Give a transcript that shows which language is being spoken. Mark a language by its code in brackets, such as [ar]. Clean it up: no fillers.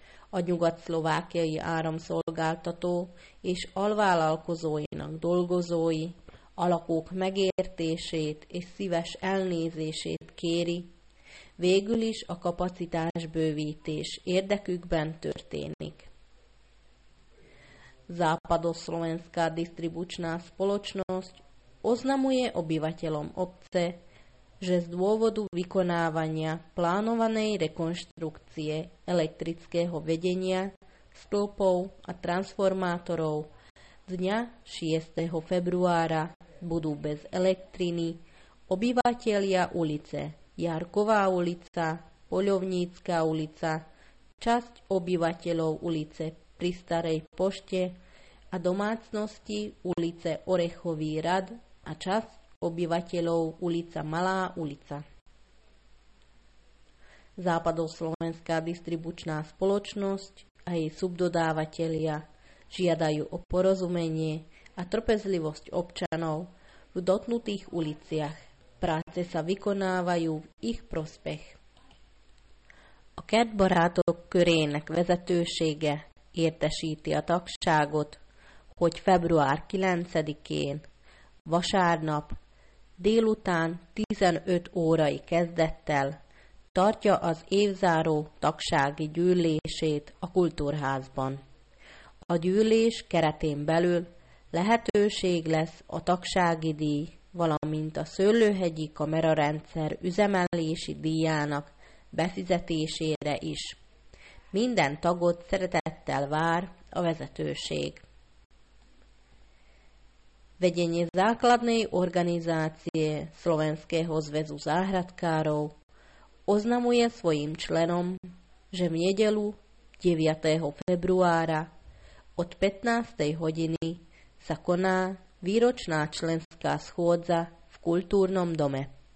[hu] A nyugat-szlovákiai áramszolgáltató és alvállalkozóinak dolgozói a lakók megértését és szíves elnézését kéri, végül is a kapacitásbővítés érdekükben történik. [sk] Západoszlovenská distribučná spoločnosť oznamuje obyvateľom obce, že z dôvodu vykonávania plánovanej rekonštrukcie elektrického vedenia, stĺpov a transformátorov dňa 6. februára budú bez elektriny obyvatelia ulice Jarková ulica, Poľovnícka ulica, časť obyvateľov ulice pri Starej pošte a domácnosti ulice Orechový rad a časť obyvateľov ulica Malá ulica. Západoslovenská distribučná spoločnosť a jej subdodávatelia žiadajú o porozumenie a trpezlivosť občanov v dotknutých uliciach. Práce sa vykonávajú v ich prospech. [hu] A Kertbarátok körének vezetősége értesíti a tagságot, hogy február 9-én, vasárnap, délután 15 órai kezdettel tartja az évzáró tagsági gyűlését a kultúrházban. A gyűlés keretén belül lehetőség lesz a tagsági díj, valamint a Szőlőhegyi kamerarendszer üzemelési díjának befizetésére is. Minden tagot szeretettel vár a vezetőség. [sk] Vedenie základnej organizácie Slovenského zväzu záhradkárov oznamuje svojim členom, že v nedeľu 9. februára od 15. hodiny sa koná výročná členská schôdza v kultúrnom dome.